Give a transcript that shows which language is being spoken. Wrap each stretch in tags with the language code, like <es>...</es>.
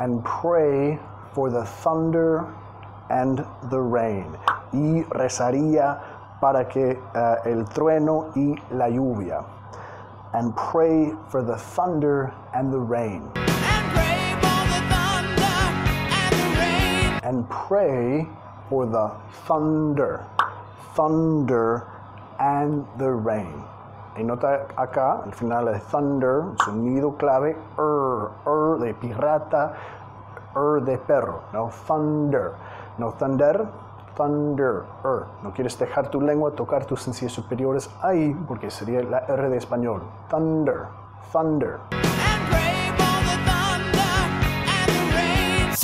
<en>And pray for the thunder and the rain.</en> <es>Y rezaría para que el trueno y la lluvia.</es> <en>And pray for the thunder and the rain. And pray for the thunder and the rain. And pray for the thunder. Thunder and the rain.</en> <es>Y nota acá, al final de thunder, sonido clave, de pirata, de perro.</es> <en>No, thunder. No, thunder.</en> <es>Thunder, No quieres dejar tu lengua tocar tus encías superiores ahí porque sería la R de español.</es> <en>Thunder, thunder. And pray for the thunder and the rain.</en>